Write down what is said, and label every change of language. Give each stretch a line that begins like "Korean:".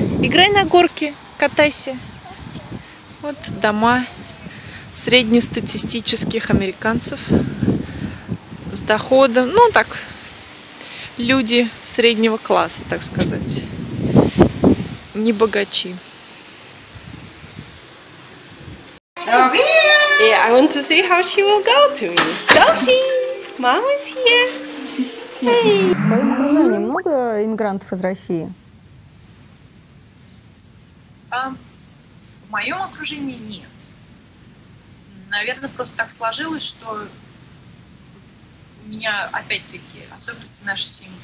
Russian: Играй на горке, катайся. Вот дома среднестатистических американцев с доходом. Ну, так, люди среднего класса, так сказать. Не богачи.
English: Yeah, I want to see how she will go to me. Sophie! Мама's here.
Russian: В твоем окружении много иммигрантов из России? В моем окружении нет. Наверное, просто так сложилось, что у меня, опять-таки, особенности нашей семьи.